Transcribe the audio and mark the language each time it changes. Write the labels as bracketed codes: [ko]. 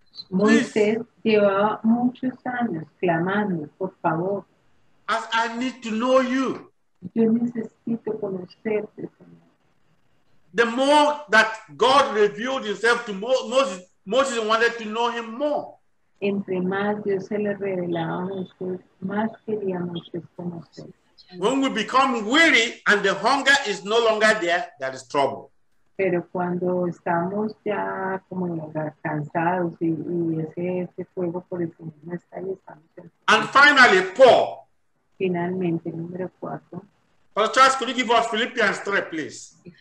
[es] Moses llevaba muchos años clamando, por favor. [en] As I need to know you. [es] Yo necesito conocerte. [en] The more that God revealed himself to Moses, Moses wanted to know him more. [es] Entre más Dios se le revelaba a Jesús, más quería Moses conocer. [en] When we become weary and the hunger is no longer there, that is trouble. [es] Pero cuando estamos ya como cansados y ese fuego por el que no está ahí, estamos en... [en] And finally, Paul. [es] Finalmente, número cuatro. [en] Pastor Charles, could you give us Philippians 3, please?